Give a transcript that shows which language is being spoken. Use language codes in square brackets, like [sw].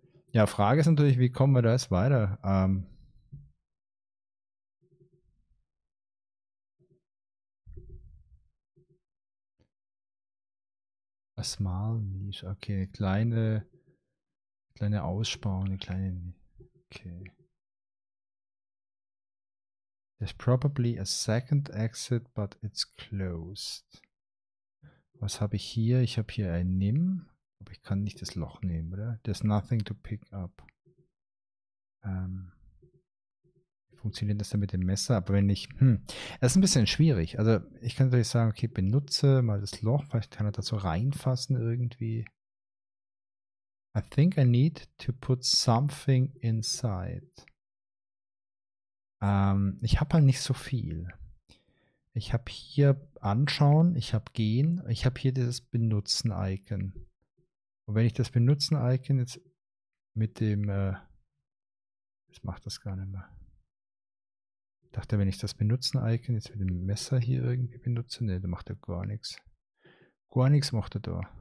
[de] Ja, Frage ist natürlich, wie kommen wir da jetzt weiter? [en] A small niche, [de] okay, eine kleine Aussparung, eine kleine, okay. [en] There's probably a second exit, but it's closed. [de] Was habe ich hier? Ich habe hier ein Nimm. Aber ich kann nicht das Loch nehmen, oder? [en] There's nothing to pick up. [de] Funktioniert das dann mit dem Messer? Aber wenn ich... Das ist ein bisschen schwierig. Also ich kann natürlich sagen, okay, benutze mal das Loch. Vielleicht kann er dazu reinfassen irgendwie. [en] I think I need to put something inside. [de] Ich habe halt nicht so viel. Ich habe hier anschauen, ich habe gehen, ich habe hier dieses Benutzen-Icon. Und wenn ich das Benutzen-Icon jetzt mit dem... das macht das gar nicht mehr. Ich dachte, wenn ich das Benutzen-Icon jetzt mit dem Messer hier irgendwie benutze, ne, dann macht er gar nichts. Gar nichts macht er da.